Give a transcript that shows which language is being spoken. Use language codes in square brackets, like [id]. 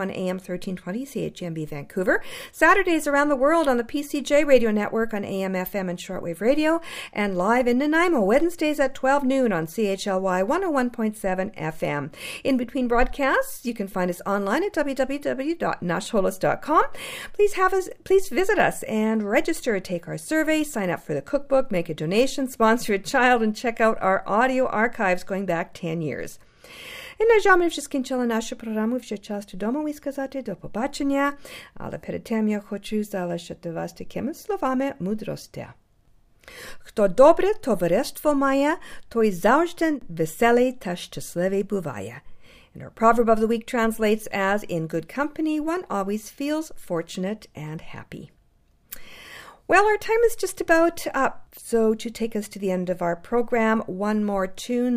[en] on AM 1320 CHMB Vancouver, Saturdays around the world on the PCJ Radio Network on AM, FM, and shortwave radio, and live in Nanaimo, Wednesdays at 12 noon on CHLY 101.7 FM. In between broadcasts, you can find us online at www.nasholos.com. Please visit us and register, take our survey, sign up for the cookbook, make a donation, sponsor a child, and check out our audio archives going back 10 years. [uk] І на жаль, ми вже скінчили нашу програму, вже час додому і сказати до побачення. Але перед тим я хочу залишити вас такими словами мудрості. Хто добре товариство має, той завжди веселий та щасливий буває. [en] And our proverb of the week translates as, in good company, one always feels fortunate and happy. Well, our time is just about up, so to take us to the end of our program, one more tune.